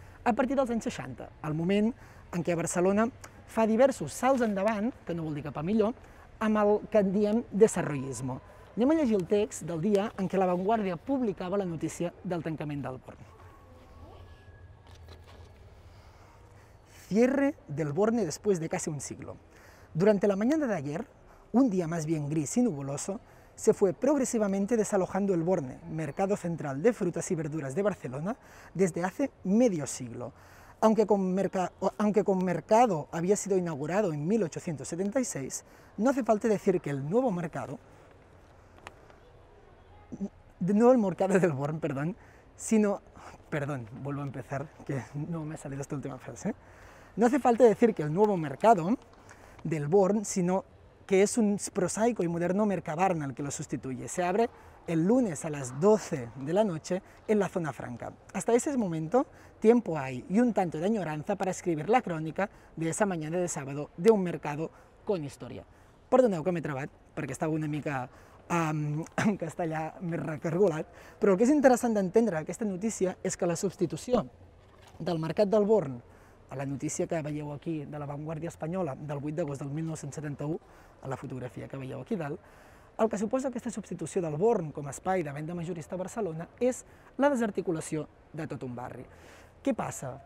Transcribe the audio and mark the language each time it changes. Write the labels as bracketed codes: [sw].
[ca] A partir dels anys 60, el moment en què Barcelona fa diversos salts endavant, que no vol dir cap a millor, amb el que en diem desarrollismo. Anem a llegir el text del dia en què La Vanguardia publicava la notícia del tancament del Born. [es] Cierre del Born después de casi un siglo. Durante la mañana de ayer, un día más bien gris y nuboloso, se fue progresivamente desalojando el Born, mercado central de frutas y verduras de Barcelona, desde hace medio siglo. Aunque como mercado había sido inaugurado en 1876, no hace falta decir que el nuevo mercado, de nuevo el mercado del Born, perdón, sino, perdón, vuelvo a empezar, que no me ha salido esta última frase, no hace falta decir que el nuevo mercado del Born, sino que es un prosaico y moderno Mercabarna el que lo sustituye. Se abre el lunes a las 12 de la noche en la Zona Franca. Hasta ese momento, tiempo hay y un tanto de añoranza para escribir la crónica de esa mañana de sábado de un mercado con historia. [ca] Perdoneu que m'he trabat, perquè estava una mica en castellà més recargolat, però el que és interessant d'entendre aquesta notícia és que la substitució del mercat del Born a la notícia que veieu aquí de la Vanguardia Espanyola del 8 d'agost del 1971, a la fotografia que veieu aquí dalt, el que suposa aquesta substitució del Born com a espai de venda majorista a Barcelona és la desarticulació de tot un barri. Què passa?